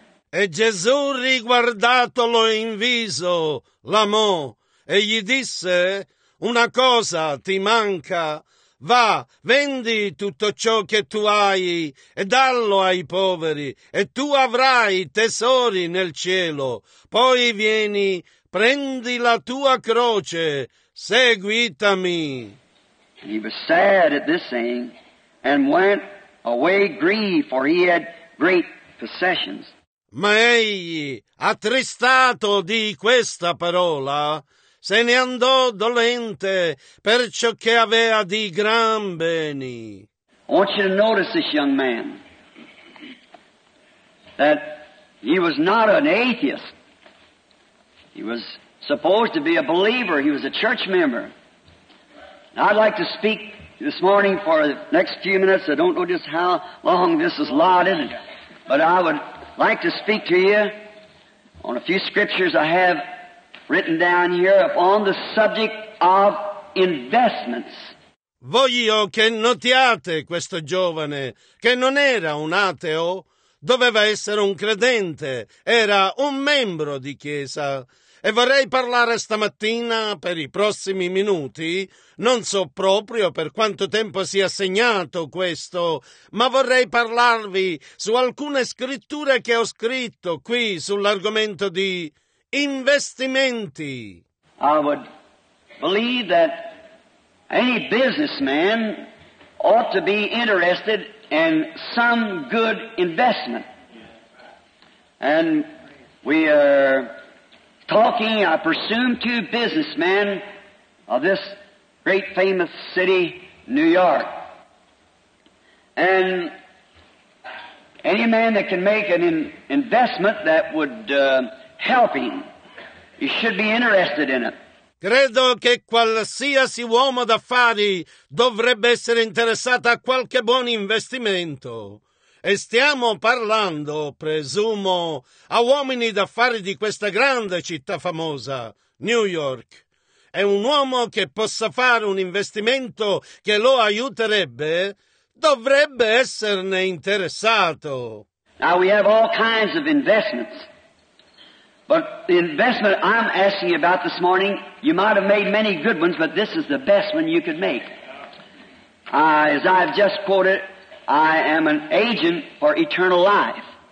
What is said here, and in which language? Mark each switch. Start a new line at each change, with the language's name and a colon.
Italian: E Gesù, riguardatolo in viso, l'amò. E gli disse, una cosa ti manca, va, vendi tutto ciò che tu hai e dallo ai poveri, e tu avrai tesori nel cielo. Poi vieni, prendi la tua croce, seguitami.
English: He was sad at this saying, and went away grieved, for he had great possessions.
Italian: Ma egli, attristato di questa parola, se ne andò dolente per ciò che aveva di gran beni.
English: I want you to notice this young man, that he was not an atheist. He was supposed to be a believer. He was a church member. Now, I'd like to speak this morning for the next few minutes. I don't know just how long this is allotted, but I would like to speak to you on a few scriptures I have written down here upon the subject of investments.
Italian: Voglio che notiate questo giovane che non era un ateo, doveva essere un credente, era un membro di chiesa. E vorrei parlare stamattina per i prossimi minuti, non so proprio per quanto tempo sia segnato questo, ma vorrei parlarvi su alcune scritture che ho scritto qui sull'argomento di investimenti.
English: I would believe that any businessman ought to be interested in some good investment. And we are talking, I presume, to businessmen of this great famous city, New York. And any man that can make an investment that would help him You should be interested in it.
Italian: Credo che qualsiasi uomo d'affari dovrebbe essere interessato a qualche buon investimento. E stiamo parlando, presumo, a uomini d'affari di questa grande città famosa, New York. E un uomo che possa fare un investimento che lo aiuterebbe, dovrebbe esserne interessato.
English: Now we have all kinds of investments. But the investment I'm asking you about this morning, you might have made many good ones, but this is the best one you could make. As I've just quoted, I am an agent for eternal life.